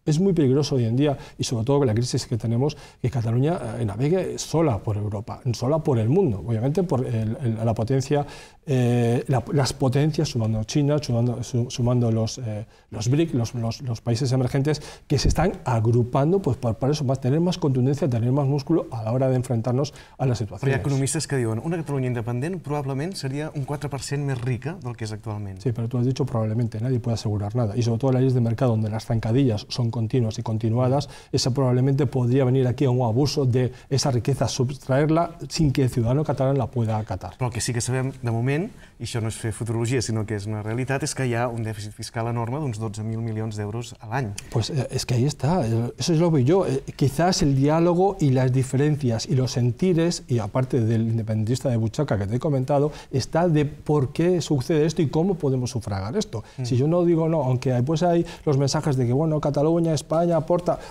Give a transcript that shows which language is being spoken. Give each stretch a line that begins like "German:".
Spanish: Es muy peligroso hoy en día, y sobre todo con la crisis que tenemos, que Cataluña navegue sola por Europa, sola por el mundo. Obviamente por la potencia, las potencias, sumando China, sumando los BRIC, los países emergentes, que se están agrupando pues, para eso, tener más contundencia, tener más músculo a la hora de enfrentarnos a la situación. Hay economistas que
Catalan: diuen una Cataluña independent probablement seria un 4% més rica del que és actualment.
Spanish: Sí, però tu has dicho probablemente, nadie puede asegurar nada. Y sobre todo en las leyes de mercado, donde las zancadillas son continuas y continuadas, esa probablemente podría venir aquí a un abuso de esa riqueza, sustraerla sin que el ciudadano catalán la pueda acatar.
Catalan: Però el que sí que sabem de moment, i això no és fer futurologia, sinó que és una realitat, és que hi ha un dèficit fiscal enorme d'uns 12.000 milions d'euros a l'any.
Spanish: Pues es que ahí está, eso es lo que yo. Quizás el diálogo y las diferencias y los sentires, y aparte del independentista de Buchaca que te he comentado, está de por qué sucede esto y cómo podemos sufragar esto. Si yo no digo no, aunque pues hay los mensajes de que, bueno, Cataluña, España, aporta.